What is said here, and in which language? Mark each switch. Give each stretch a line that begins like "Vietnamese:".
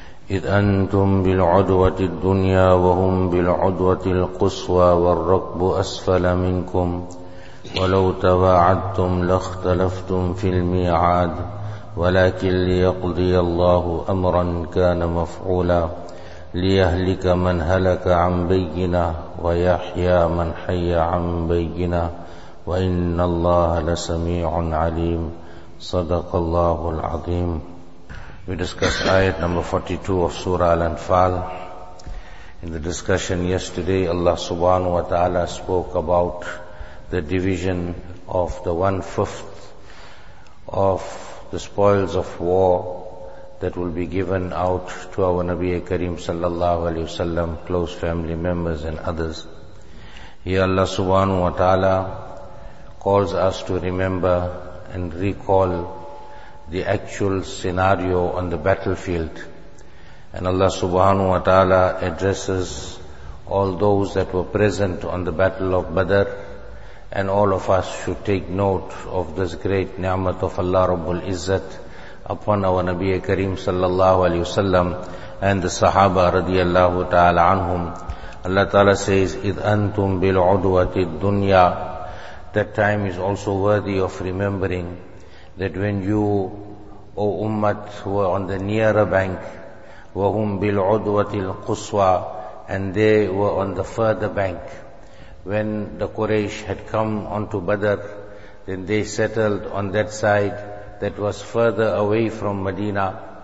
Arabic: إذ أنتم بالعدوة الدنيا وهم بالعدوة القصوى والركب أسفل منكم ولو تواعدتم لاختلفتم في الميعاد ولكن ليقضي الله أمرا كان مفعولا ليهلك من هلك عن بينة ويحيى من حي عن بينة وَإِنَّ اللَّهَ لَسَمِيعٌ عَلِيمٌ صَدَقَ اللَّهُ الْعَظِيمُ.
English: We discuss ayat number 42 of Surah Al-Anfal. In the discussion yesterday, Allah subhanahu wa ta'ala spoke about the division of the one-fifth of the spoils of war that will be given out to our Nabi Kareem sallallahu alayhi wasallam, close family members and others. Here Allah subhanahu wa ta'ala calls us to remember and recall the actual scenario on the battlefield. And Allah subhanahu wa ta'ala addresses all those that were present on the battle of Badr, and all of us should take note of this great ni'mat of Allah Rabbul Izzat upon our Nabi Kareem sallallahu alayhi wasallam and the Sahaba radiyallahu ta'ala anhum.
Arabic: Allah ta'ala says, إِذْ أَنْتُمْ بِالْعُدْوَةِ الدُّنْيَا.
English: That time is also worthy of remembering, that when you, O Ummat, were on the nearer bank,
Arabic: وَهُمْ بِالْعُدْوَةِ الْقُصْوَى,
English: and they were on the further bank. When the Quraysh had come onto Badr, then they settled on that side that was further away from Medina.